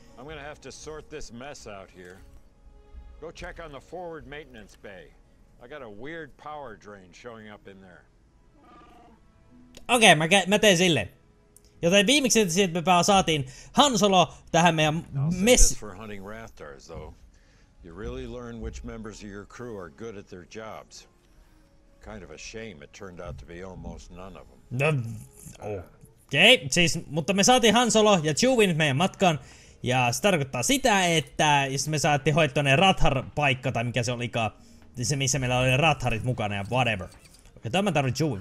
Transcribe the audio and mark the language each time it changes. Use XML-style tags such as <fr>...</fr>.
<en>I'm gonna have to sort this mess out here. Go check on the forward maintenance bay. I got a weird power drain showing up in there.</en> <fi>Okei, okay, mä teen sille. Joten viimeksi sieltä me saatiin Han Solo tähän meidän mess...</fi> <en>This for hunting Rathars, though. You really learn which members of your crew are good at their jobs. Kind of a shame it turned out to be almost none of them.</en> <fi>No, okei, okay, siis, mutta me saatiin Han Solo ja Chewin meidän matkaan. Ja se tarkoittaa sitä, että jos me saatiin hoitoon ne Rathar-paikka, tai mikä se olikaan, se missä meillä oli ne Ratharit mukana ja whatever. Okei, tämä tarvitsen Chewin.</fi>